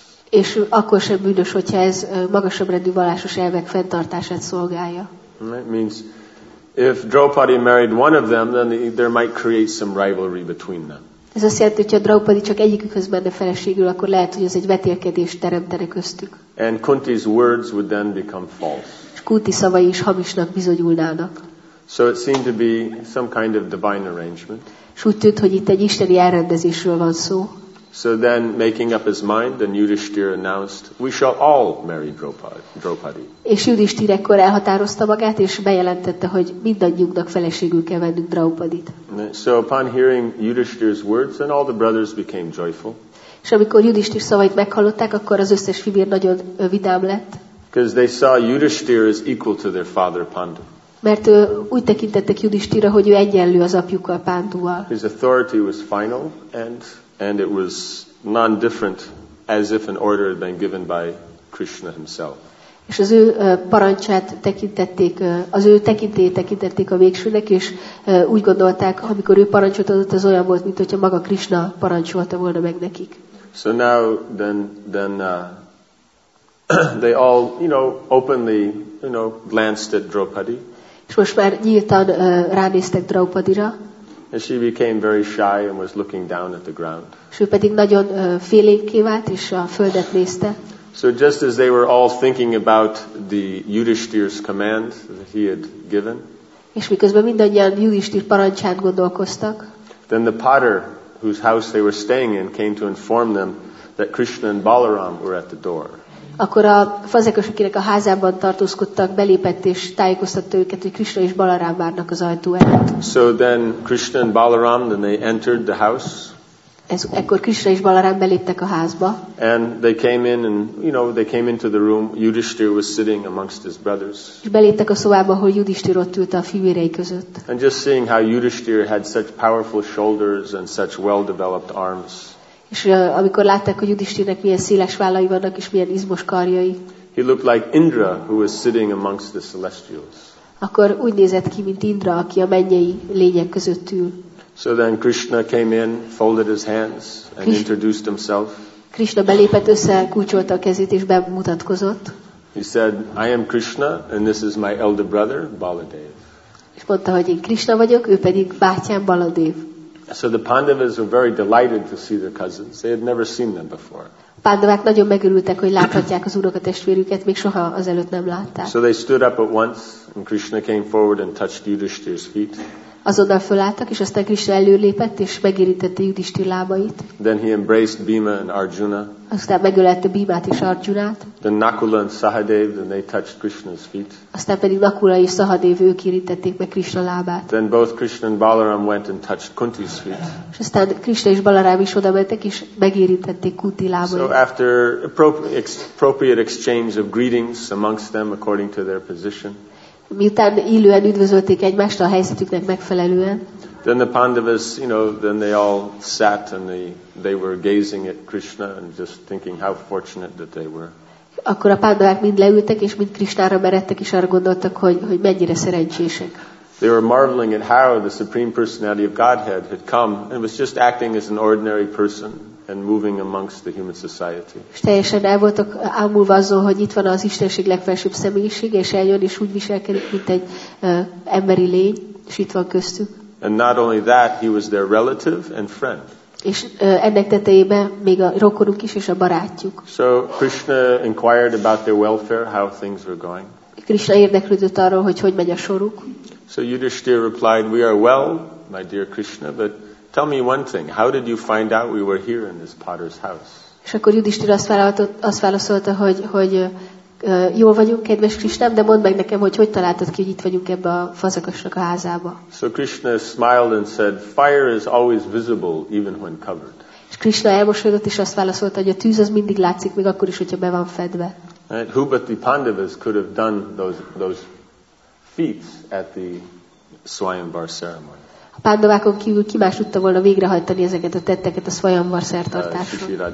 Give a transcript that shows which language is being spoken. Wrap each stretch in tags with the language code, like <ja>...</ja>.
<hu>És akkor sem bűnös, hogyha ez magasabb rendű vallásos elvek fenntartását szolgálja.</hu> <en>That means if Draupadi married one of them, then there might create some rivalry between them.</en> <hu>Ez azt jelenti, hogy ha Draupadi csak egyikükhöz menne feleségül, akkor lehet, hogy ez egy vetélkedést teremtene köztük.</hu> <en>And Kunti's words would then become false.</en> <hu>És Kunti szavai is hamisnak bizonyulnának.</hu> <en>So it seemed to be some kind of divine arrangement.</en> <hu>S úgy tűnt, hogy itt egy isteni elrendezésről van szó.</hu> <en>So then, making up his mind, then Yudhishthira announced, "We shall all marry Draupadi."</en> <hu>És Yudhishthir ekkor elhatározta magát, és bejelentette, hogy mindannyiunknak feleségül kell vennünk Draupadit.</hu> <en>So upon hearing Yudhishthir's words, then all the brothers became joyful.</en> <hu>És amikor Yudhishthir szavait meghallották, akkor az összes fivér nagyon vidám lett.</hu> <en>Because they saw Yudhishthir is equal to their father Pandu.</en> <hu>Mert úgy tekintettek Yudhishthirra, hogy ő egyenlő az apjukkal Pánduval.</hu> <en>His authority was final and it was non-different as if an order had been given by Krishna himself.</en> <hu>És az ő parancsát tekintették, az ő tekintélyét tekintették a végsőnek, és úgy gondolták, amikor ő parancsot adott, az olyan volt, mintha maga Krishna parancsolta volna meg nekik.</hu> <en>So now then they all, you know, openly, you know, glanced at Draupadi.</en> <hu>És most már nyíltan ránéztek Draupadira.</hu> <en>And she became very shy and was looking down at the ground.</en> <hu>Ő pedig nagyon félénké vált, és a földet nézte.</hu> <en>So just as they were all thinking about the Yudhishthir's command that he had given.</en> <hu>És miközben mindannyian Yudhishthir parancsát gondolkoztak.</hu> <en>Then the potter whose house they were staying in came to inform them that Krishna and Balaram were at the door.</en> <hu>Akkor a fazekas, akinek a házában tartózkodtak, belépett és tájékoztatta őket, hogy Krishna és Balaram várnak az ajtó előtt.</hu> <en>So then Krishna and Balaram, then they entered the house.</en> <hu>Ekkor Krishna és Balaram beléptek a házba.</hu> <en>And they came in and, you know, they came into the room. Yudhishthir was sitting amongst his brothers.</en> <hu>És beléptek a szobába, ahol Yudhishthir ott ült a fivérei között.</hu> <en>And just seeing how Yudhishthir had such powerful shoulders and such well-developed arms.</en> <hu>És amikor látták, hogy Yudhishthirnek milyen széles vállai vannak, és milyen izmos karjai.</hu> <en>He looked like Indra, who was sitting amongst the celestials.</en> <hu>Akkor úgy nézett ki, mint Indra, aki a mennyei lények között ül.</hu> <en>So then Krishna came in, folded his hands, and introduced himself.</en> <hu>Krishna belépett, összekulcsolta a kezét, és bemutatkozott.</hu> <en>He said, "I am Krishna, and this is my elder brother, Baladev."</en> <hu>És mondta, hogy én Krishna vagyok, ő pedig bátyám Baladev.</hu> <en>So the Pandavas were very delighted to see their cousins. They had never seen them before.</en> <hu>Pandavák nagyon megörültek, hogy láthatják az unokatestvérüket, még soha azelőtt nem látták.</hu> <en>So they stood up at once, and Krishna came forward and touched Yudhishthir's feet.</en> <hu>Azonnal fölálltak, és aztán Krishna előlépett, és megérintette Yudhishthir lábait.</hu> <en>Then he embraced Bhima and Arjuna.</en> <hu>Aztán megölelte Bhimát és Arjunát.</hu> <en>Then Nakula and Sahadev, then they touched Krishna's feet.</en> <hu>Aztán pedig Nakula és Sahadev, ők érintették meg Krishna lábát.</hu> <en>Then both Krishna and Balaram went and touched Kunti's feet.</en> <hu>És aztán Krishna és Balaram is odamentek, és megérintették Kunti lábait.</hu> <en>So after appropriate exchange of greetings amongst them according to their position.</en> <hu>Miután illően üdvözölték egymást a helyzetüknek megfelelően.</hu> <en>Then the Pandavas, you know, then they all sat and they were gazing at Krishna and just thinking how fortunate that they were.</en> <hu>Akkor a Pandavák mind leültek és mind Krishnára meredtek és arra gondoltak, hogy mennyire szerencsések.</hu> <en>They were marveling at how the Supreme Personality of Godhead had come and was just acting as an ordinary person and moving amongst the human society.</en> <hu>És teljesen el voltak ámulva azzal, hogy itt van az Istenség legfelsőbb személyiség, és eljön és úgy viselkedik, mint egy emberi lény, és itt van köztük.</hu> <en>And not only that, he was their relative and friend.</en> <hu>És ennek tetejében még a rokonuk is és a barátjuk.</hu> <en>So Krishna inquired about their welfare, how things were going.</en> <hu>Krishna érdeklődött arról, hogy megy a soruk.</hu> <en>So Yudhishthir replied, "We are well, my dear Krishna, but tell me one thing. How did you find out we were here in this potter's house?"</en> <hu>És akkor Yudhishthir azt válaszolta, hogy jól vagyunk, kedves Krisztám, de mondd meg nekem, hogy találtad ki, hogy itt vagyunk ebbe a fazakasnak a házába.</hu> <en>So Krishna smiled and said, "Fire is always visible even when covered."</en> <hu>És Krishna elmosolyodott és azt válaszolta, hogy a tűz az mindig látszik, még akkor is, hogyha be van fedve.</hu> <en>And who but the Pandavas could have done those feats at the Swayamvar ceremony?</en> <hu>A Pándavákon kívül ki más tudta volna végrehajtani ezeket a tetteket a Svayamvar szertartáson.</hu>